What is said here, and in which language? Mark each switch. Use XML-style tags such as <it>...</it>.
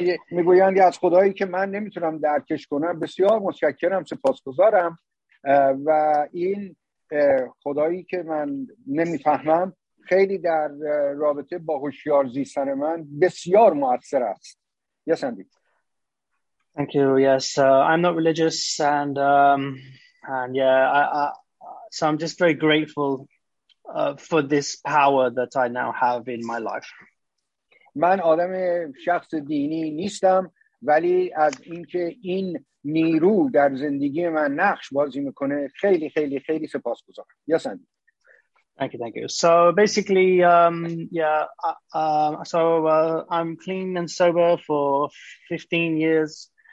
<fa>میگویند از خدایی که من نمیتونم درکش کنم بسیار متشکرم، سپاسگزارم، و این خدایی که من نمیفهمم خیلی در رابطه با هوشیار زیستن من بسیار مؤثر است.</fa> <en>Yes, Andy. Thank you. Yes, I'm not religious, and I'm just very grateful for this power that I now have in my life.</en> <fa>من آدم شخص دینی نیستم، ولی از اینکه این نیرو در زندگی من نقش بازی میکنه خیلی خیلی خیلی سپاسگزارم.</fa> <en>Yes, Andy. Thank you. So basically, I'm clean and sober for 15 years.</en>